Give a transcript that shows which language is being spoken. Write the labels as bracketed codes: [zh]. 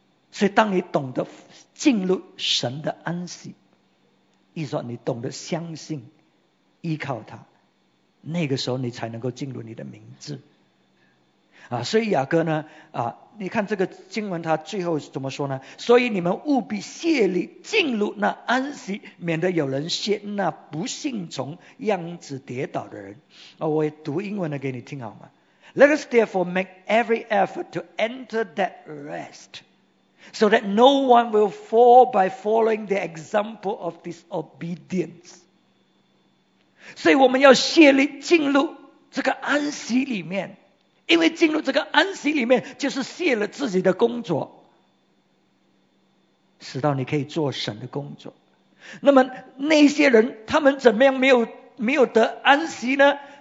[zh] 所以当你懂得进入神的安息，意思说你懂得相信依靠他，那个时候你才能够进入你的名字啊。所以雅各呢啊，你看这个经文他最后怎么说呢，所以你们务必竭力进入那安息，免得有人陷那不信从样子跌倒的人啊。我也读英文的给你听好吗？ [en] Let us therefore make every effort to enter that rest so that no one will fall by following the example of disobedience. [zh] 所以我们要竭力进入这个安息里面，因为进入这个安息里面就是卸了自己的工作，使到你可以做神的工作。那么那些人他们怎么样没有得安息呢？